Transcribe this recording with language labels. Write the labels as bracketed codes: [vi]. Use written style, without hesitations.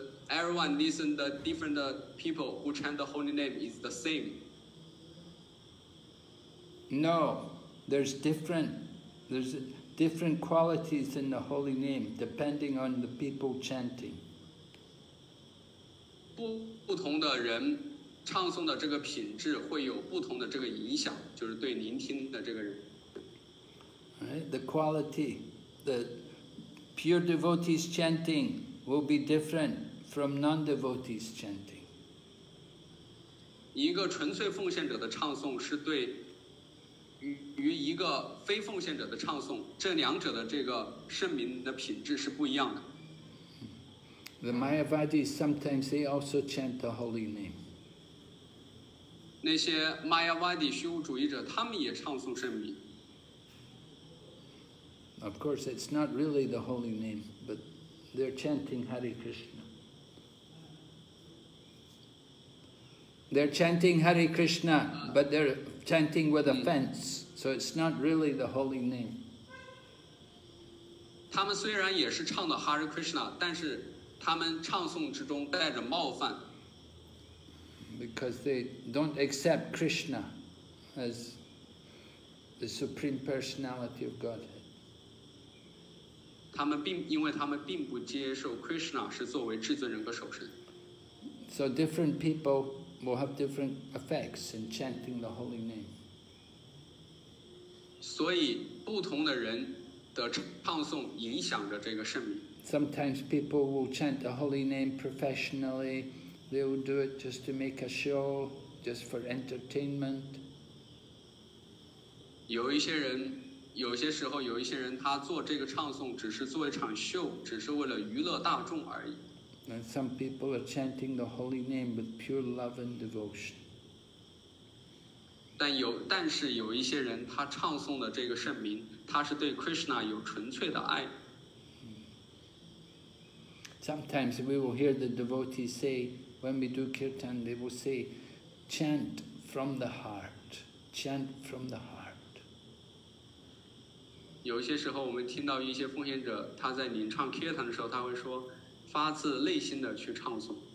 [en] Everyone listen the different people who chant the holy name is the same. No, there's different qualities in the holy name depending on the people chanting. [zh] 不同的人唱诵的这个品质会有不同的这个影响，就是对聆听的这个人。 [en] Right, the quality, the pure devotees chanting will be different from non-devotees chanting. [zh] 一个纯粹奉献者的唱诵是对与一个非奉献者的唱诵，这两者的这个圣名的品质是不一样的。 [en] The Mayavadis sometimes they also chant the holy name. [zh] 那些 Mayavadi 虚无主义者，他们也唱诵圣名。 [en] Of course, it's not really the holy name, but they're chanting Hare Krishna. They're chanting Hare Krishna, but they're chanting with offense, so it's not really the holy name. [zh] 他们虽然也是唱的 Hare Krishna, 但是他们唱诵之中带着冒犯。 [en] Because they don't accept Krishna as the Supreme Personality of Godhead. [zh] 因为他们并不接受 Krishna 是作为至尊人格首身。 [en] So different people will have different effects in chanting the holy name. [zh] 所以不同的人的唱诵影响着这个圣名。 [en] Sometimes people will chant the holy name professionally. They will do it just to make a show, just for entertainment. [zh] 有一些人他做这个唱诵只是做一场秀，只是为了娱乐大众而已。 [en] And some people are chanting the holy name with pure love and devotion. [zh] 但是有一些人他唱诵的这个圣名，他是对 Krishna 有纯粹的爱。 [en] Sometimes we will hear the devotees say, when we do kirtan, they will say, chant from the heart, chant from the heart. [zh] 有些时候我们听到一些奉献者他在领唱 Kirtan 的时候，他会说发自内心的去唱诵。